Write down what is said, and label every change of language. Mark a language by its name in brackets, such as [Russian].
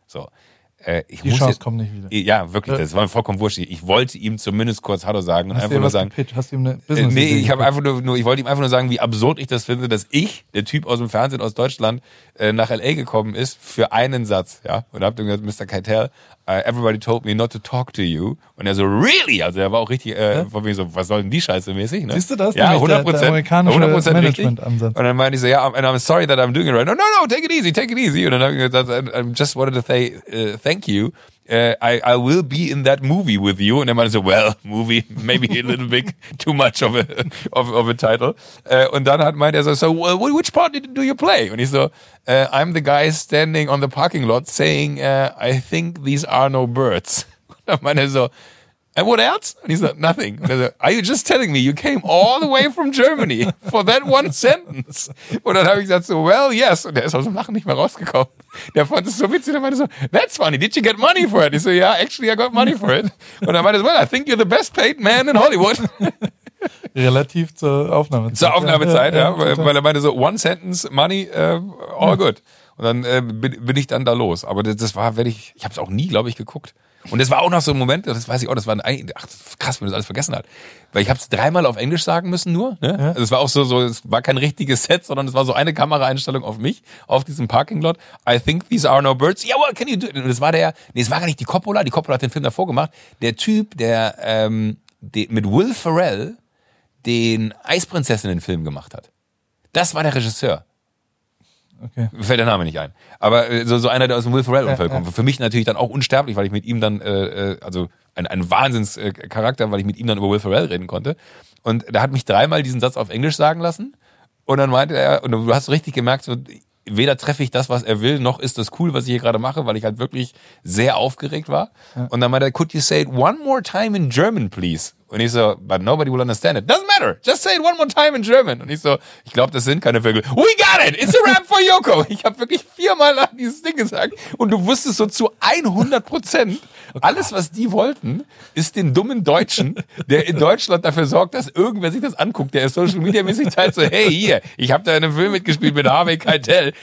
[German] So. Die Chance jetzt, kommt nicht wieder. Ja, wirklich, das war mir vollkommen wurscht. Ich wollte ihm zumindest kurz Hallo sagen. Hast du ihm was gepitcht? Hast du ihm eine Business-Idee? Nee, ich habe einfach nur, ich wollte ihm einfach nur sagen, wie absurd ich das finde, dass ich, der Typ aus dem Fernsehen aus Deutschland, nach L.A. gekommen ist für einen Satz. Ja? Und hab dann gesagt, Mr. [English] Keitel, everybody told me not to talk to you. [German] Und er so, [English] really? [German] Also er war auch richtig von mir so, was soll denn die Scheiße mäßig? Ne? Siehst du das? Ja, 100%. Der amerikanische 100% Management-Ansatz. Und dann meinte ich so, ja, [English] and I'm sorry that I'm doing it right. No, take it easy. [German] Und dann hab ich gesagt, [English] I just wanted to say thank you. I will be in that movie with you. [German] Und er meinte so, [English] well, movie, maybe a little bit too much of a title. [German] Und dann meinte er so, [English] so which part do you play? [German] Und ich so, [English] I'm the guy standing on the parking lot saying, I think these are no birds. [German] Und dann meinte er so, [English] and what else? [German] Und ich so, [English] nothing. [German] Und er so, [English] are you just telling me you came all the way from Germany for that one sentence? [German] Und dann habe ich gesagt so, [English] well, yes. [German] Und er ist aus dem Lachen nicht mehr rausgekommen. Der fand es so witzig. Der meinte so, [English] that's funny. [German] Did you get money for it? Ich so, yeah, actually, I got money for it. Und er meinte so, well, I think you're the best paid man in Hollywood. Relativ zur Aufnahmezeit. Zur Aufnahmezeit, ja. Weil er meinte so, [English] one sentence, money, all good. [German] Und dann bin ich dann da los. Aber das war, ich habe es auch nie, glaube ich, geguckt. Und das war auch noch so ein Moment, das weiß ich auch, das war ein, ach, krass, wenn man das alles vergessen hat. Weil ich habe es dreimal auf Englisch sagen müssen nur. Ne? Ja. Also es war auch so, es war kein richtiges Set, sondern es war so eine Kameraeinstellung auf mich, auf diesem Parkinglot. [English] I think these are no birds. Yeah, what can you do? [German] Und es war der, nee, es war gar nicht die Coppola. Die Coppola hat den Film davor gemacht. Der Typ, der mit Will Ferrell den Eisprinzessinnen-Film gemacht hat. Das war der Regisseur. Okay. Fällt der Name nicht ein. Aber so einer, der aus dem Will Ferrell-Umfeld kommt. Für mich natürlich dann auch unsterblich, weil ich mit ihm dann, also ein Wahnsinnscharakter, weil ich mit ihm dann über Will Ferrell reden konnte. Und da hat mich dreimal diesen Satz auf Englisch sagen lassen. Und dann meinte er, und du hast richtig gemerkt, so, weder treffe ich das, was er will, noch ist das cool, was ich hier gerade mache, weil ich halt wirklich sehr aufgeregt war. Ja. Und dann meinte er, [English] could you say it one more time in German, please? [German] Und ich so, [English] but nobody will understand it. Doesn't matter. Just say it one more time in German. [German] Und ich so, ich glaube, das sind keine Vögel. [English] We got it. It's a rap for Joko. [German] Ich habe wirklich viermal lang dieses Ding gesagt. Und du wusstest so zu 100%, alles, was die wollten, ist den dummen Deutschen, der in Deutschland dafür sorgt, dass irgendwer sich das anguckt, der ist social media mäßig teilt so, hey, hier, ich habe da in einem Film mitgespielt mit Harvey Keitel.